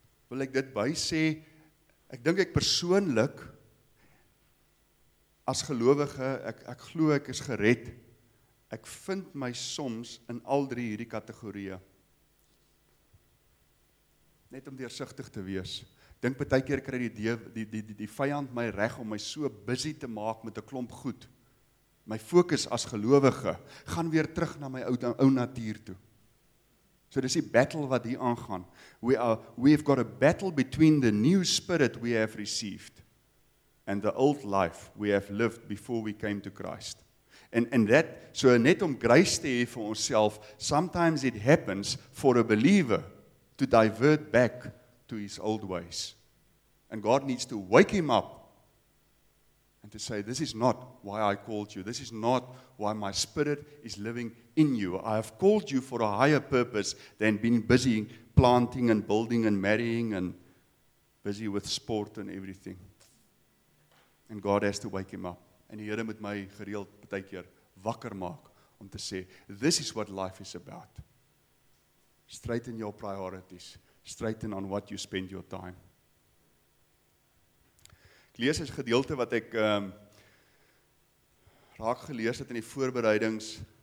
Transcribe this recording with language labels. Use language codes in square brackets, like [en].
[af] wil ek dit bysê, ek dink ek persoonlik, as gelowige, ek glo ek is gered, ek vind my soms in al drie hierdie kategorieë, net om deursigtig te wees. Dink baie keer kry die vyand my reg om my so busy te maak met 'n klomp goed. My fokus as gelowige gaan weer terug na my ou natuur toe. So dis die battle wat hier aangaan. [en] We've got a battle between the new spirit we have received and the old life we have lived before we came to Christ. And that, [af] so net om grace te hê vir onsself, [en] sometimes it happens for a believer to divert back to his old ways. And God needs to wake him up and to say, this is not why I called you. This is not why my spirit is living in you. I have called you for a higher purpose than being busy planting and building and marrying and busy with sport and everything. And God has to wake him up. [af] En die Here moet my gereeld baie keer wakker maak om te sê, [en] this is what life is about. Straight in your priorities. Straight in on what you spend your time. [af] Ek lees een gedeelte wat ek raak gelees het in die voorbereidings.